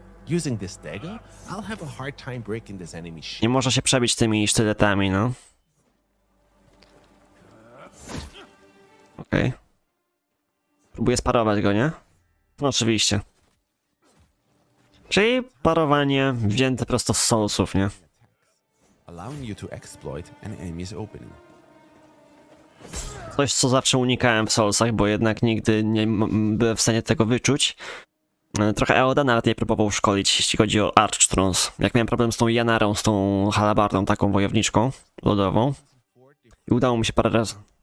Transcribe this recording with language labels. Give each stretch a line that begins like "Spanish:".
English: Using this dagger, I'll have a hard time breaking this enemy shield.
Polish: Nie można się przebić tymi sztyletami, no. Okej. Okay. Próbuję sparować go, nie? No, oczywiście. Czyli parowanie wzięte prosto z Soulsów, nie?
English: Allowing you to exploit an enemy's opening.
Polish: Coś, co zawsze unikałem w Soulsach, bo jednak nigdy nie byłem w stanie tego wyczuć. Trochę Eoda nawet nie próbował szkolić, jeśli chodzi o Archtrons. Jak miałem problem z tą Janarą, z tą halabardą, taką wojowniczką lodową. I udało mi się parę razy...